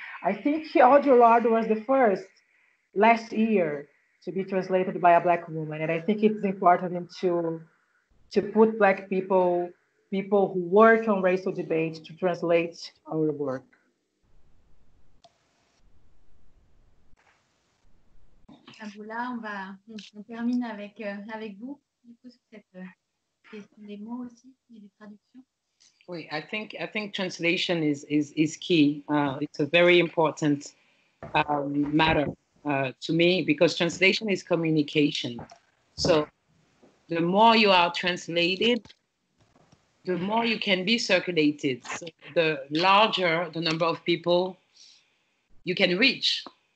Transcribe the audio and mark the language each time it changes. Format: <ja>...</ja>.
<en>I think Audre Lorde was the first last year to be translated by a Black woman. And I think it's important to put Black people who work on racial debate to translate our work.</en> <fr>Maboula, on termine avec vous, du coup, sur cette question des mots aussi, et des traductions.</fr> <en>Oui, I think translation is key. It's a very important matter to me, because translation is communication. So the more you are translated, the more you can be circulated, so the larger the number of people you can reach.</en>